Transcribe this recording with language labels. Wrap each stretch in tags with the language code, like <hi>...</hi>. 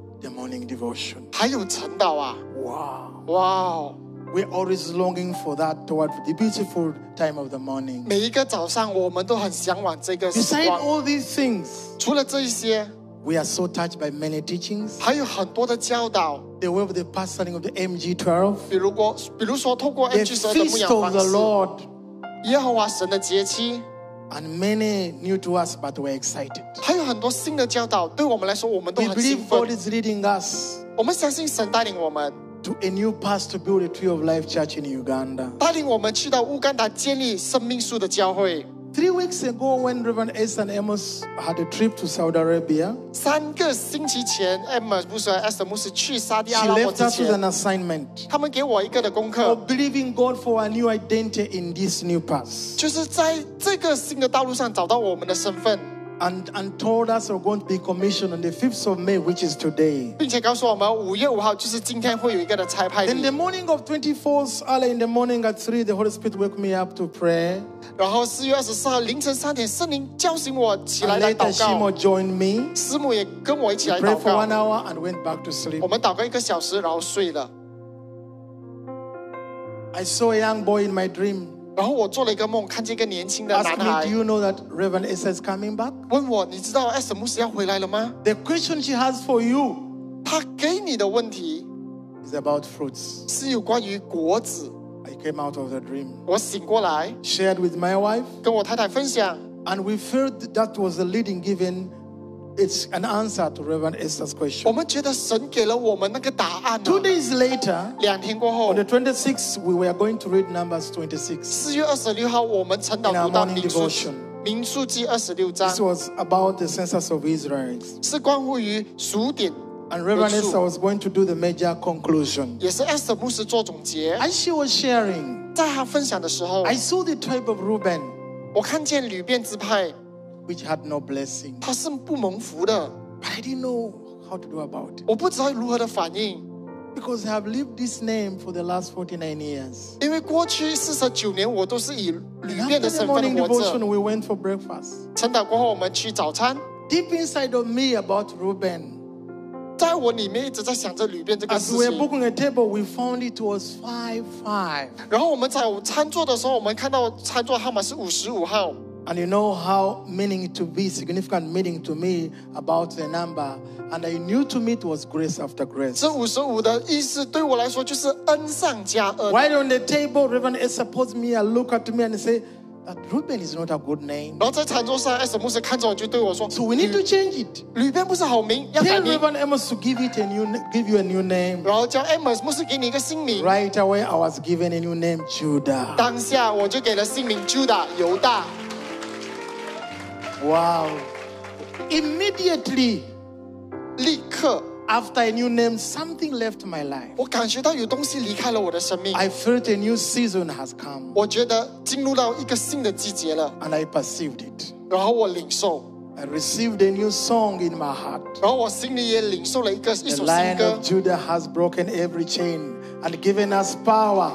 <en>The morning devotion.</en> <zh>还有晨祷啊。</zh> <en>Wow. We're always longing for that toward the beautiful time of the morning.</en> <zh>每一个早上我们都很向往这个时光。</zh> <en>Beside all these things,</en> <zh>除了这些,</zh> <en>we are so touched by many teachings.</en> <zh>还有很多的教导。</zh> <en>The way of the pastoring of the MG12.</en> <zh>比如说透过 MG12 的牧养方式。</zh> <en>The feast of the Lord.</en> <zh>耶和华神的节期。</zh> <en>And many new to us, but we're excited.</en> <zh>还有很多新的教导，对我们来说，我们都很兴奋。</zh> <en>We believe God is leading us.</en> <zh>我们相信神带领我们。</zh> <en>To a new path to build a Tree of Life Church in Uganda.</en> <zh>带领我们去到乌干达建立生命树的教会。</zh> <en>3 weeks ago, when Reverend Esther and Amos had a trip to Saudi Arabia,</en> <zh>三个星期前 Amos 牧师和 Esther 牧师去沙地阿拉伯之前</zh> <en>she left us with an assignment.</en> <zh>他们给我一个的功课</zh> <en>of believing God for a new identity in this new path.</en> <zh>就是在这个新的道路上找到我们的身份。</zh> <en>And told us we're going to be commissioned on the 5th of May, which is today.</en> <zh>并且告诉我们五月五号就是今天会有一个的差派。</zh> <en>Then the morning of 24th, early in the morning at 3, the Holy Spirit woke me up to pray.</en> <zh>然后四月二十四号凌晨三点，圣灵叫醒我起来来祷告。</zh> <en>Later, 师母 joined me.</en> <zh>师母也跟我一起来祷告。</zh> <en>Prayed for 1 hour and went back to sleep.</en> <zh>我们祷告一个小时，然后睡了。</zh> <en>I saw a young boy in my dream.</en> <zh>然后我做了一个梦，看见一个年轻的男孩。</zh> <en>Ask me, do you know that Reverend Esther is coming back?</en> <zh>问我，你知道 Esther 牧师要回来了吗？</zh> <en>The question she has for you,</en> <zh>她给你的问题</zh> <en>is about fruits.</en> <zh>是有关于果子。</zh> <en>I came out of the dream.</en> <zh>我醒过来。</zh> <en>Shared with my wife.</en> <zh>跟我太太分享。</zh> <en>And we felt that was the leading given. It's an answer to Reverend Esther's question.</en> <zh>我们觉得神给了我们那个答案。</zh> <en>2 days later,</en> <zh>两天过后</zh> <en>on the 26th, we were going to read Numbers 26.</en> <zh>四月二十六号，我们晨祷读到民数记。民数记二十六章。</zh> <en>This was about the census of Israelites.</en> <zh>是关乎于数点。</zh> <en>And Reverend Esther was going to do the major conclusion.</en> <zh>也是 Esther 牧师做总结。</zh> <en>As she was sharing,</en> <zh>在她分享的时候</zh> <en>I saw the tribe of Reuben.</en> <zh>我看见吕便支派。</zh> <en>Which had no blessing.</en> <zh>他是不蒙福的。</zh> <en>But I didn't know how to do about it.</en> <zh>我不知道如何的反应。</zh> <en>Because I have lived this name for the last 49 years.</en> <zh>因为过去49年我都是以吕便的身份活着。</zh> <en>After the morning devotion, we went for breakfast.</en> <zh>晨祷过后我们去早餐。</zh> <en>Deep inside of me about Reuben.</en> <zh>在我里面一直在想着吕便这个事情。</zh> <en>As we were booking a table, we found it was 55.</en> <zh>然后我们在餐桌的时候，我们看到餐桌号码是55号。</zh> <en>And you know how meaning to be significant meaning to me about the number, and I knew to me it was grace after grace.</en> <zh>这五十五的意思对我来说就是恩上加恩。</zh> <en>While on the table, Reverend Esther pulls me and look at me and say, "That Reuben is not a good name."</en> <zh>然后在餐桌上 ，Esther 牧师看着我就对我说</zh> <en>，So we need to change it.</en> <zh>吕便不是好名，要改名。</zh> <en>Tell Reverend Amos to give you a new name.</en> <zh>然后叫 Amos 牧师给你一个新名。</zh> <en>Right away, I was given a new name, Judah.</en> <zh>当下我就给了新名 Judah, 犹大。</zh> <en>Wow. Immediately,</en> <zh>立刻</zh> <en>after a new name, something left my life.</en> <zh>我感觉到有东西离开了我的生命。</zh> <en>I felt a new season has come.</en> <zh>我觉得进入到一个新的季节了。</zh> <en>And I perceived it.</en> <zh>然后我领受。</zh> <en>I received a new song in my heart.</en> <zh>然后我心里也领受了一首新歌。</zh> <en>The Lion of Judah has broken every chain and given us power.</en>